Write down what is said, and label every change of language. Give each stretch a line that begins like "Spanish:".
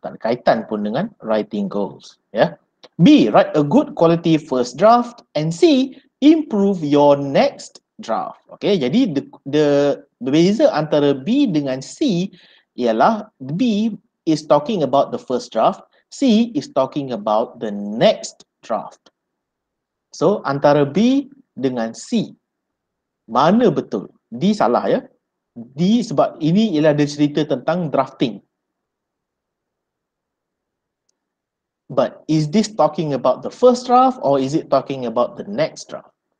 Malay: Tak ada kaitan pun dengan
English: writing goals,
Malay: ya.
English: B, write a good quality first draft, and C, improve your next draft. Okay,
Malay: jadi the berbeza antara B dengan C ialah
English: B is talking about the first draft, C is talking about the next draft.
Malay: So, antara B dengan C, mana betul? D salah, ya? D sebab ini ialah dia cerita tentang drafting.
English: But is this talking about the first draft or is it talking about the next draft?